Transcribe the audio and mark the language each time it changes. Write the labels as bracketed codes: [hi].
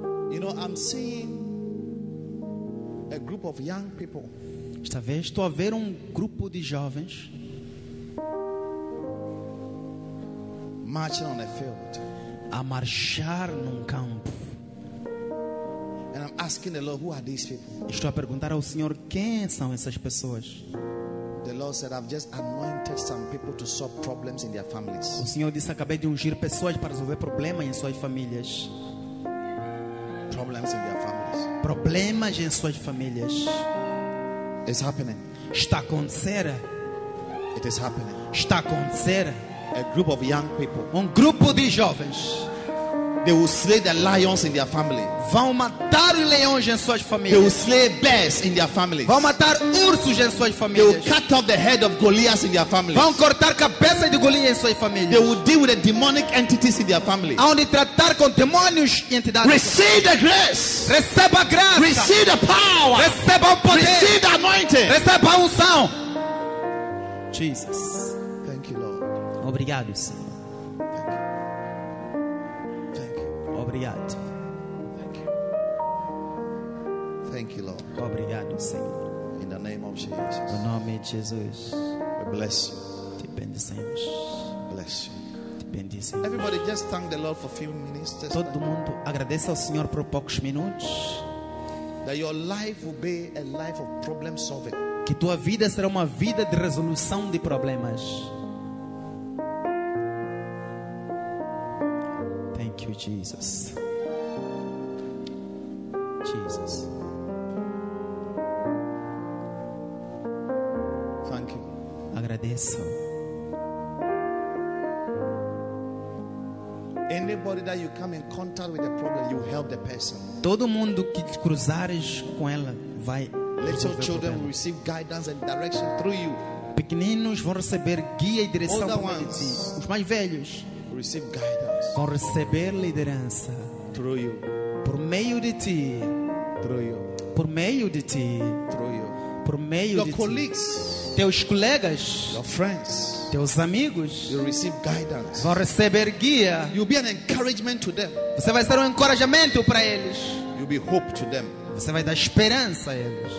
[en] You know, I'm seeing a group of young people. [pt] Esta vez estou a ver um grupo de jovens [en] marching on a field. [pt] A marchar num campo. [en] And I'm asking the Lord, who are these people? [pt] Estou a perguntar ao Senhor quem são essas pessoas. [en] The Lord said, "I've just anointed some people to solve problems in their families." [pt] O Senhor disse, acabei de ungir pessoas para resolver problemas em suas famílias. [en] Problems in their families. [pt] Problemas em suas famílias. [en] It's happening. [pt] Está a acontecer. [en] It is happening. [pt] Está a acontecer. [en] A group of young people. [pt] Um grupo de jovens. [en] They will slay the lions in their family. [pt] Vão matar os leões em suas famílias. [en] They will slay bears in their families. [pt] Vão matar ursos em suas famílias. [en] They will cut off the head of Goliath in their families. [pt] Vão cortar a cabeça de Golias em suas famílias. [en] They will deal with the demonic entities in their families. [pt] Aonde tratar com demônios e entidades. [en] Receive the grace. [pt] Receba a graça. [en] Receive the power. [pt] Receba o poder. [en] Receive the anointing. [pt] Receba a unção. Jesus. [en] Thank you, Lord. [pt] Obrigado, Senhor. Obrigado. [en] Thank you, Lord. [pt] Obrigado, Senhor. [en] In the name of Jesus. [pt] No nome de Jesus. [en] We bless you. [pt] Te bendizemos. [en] Bless you. [pt] Te bendizemos. [en] Everybody, just thank the Lord for a few minutes. [pt] Todo mundo agradeça ao Senhor por poucos minutos. [en] That your life will be a life of problem solving. [pt] Que tua vida será uma vida de resolução de problemas. [en] Jesus. [pt] Jesus. [en] Thank you. [pt] Agradeço. [en] Anybody that you come in contact with a problem, you help the person. [pt] Todo mundo que te cruzares com ela vai resolver. [en] Little children will receive guidance and direction through you. [pt] Pequeninos vão receber guia e direção por meio de ti. Os mais velhos [en] receive guidance. [pt] Vão receber liderança [en] through you. [pt] Por meio de ti. [en] Through you. [pt] Por meio de ti. [en] Through you. [pt] Por meio [en] your [pt] de [en] colleagues. [pt] Ti. teus colegas, [en] your friends, [pt] teus amigos, [en] you'll receive guidance, [pt] vão receber guia, [en] you'll be an encouragement to them, [pt] você vai ser encorajamento para eles, [en] you'll be hope to them, [pt] você vai dar esperança a eles,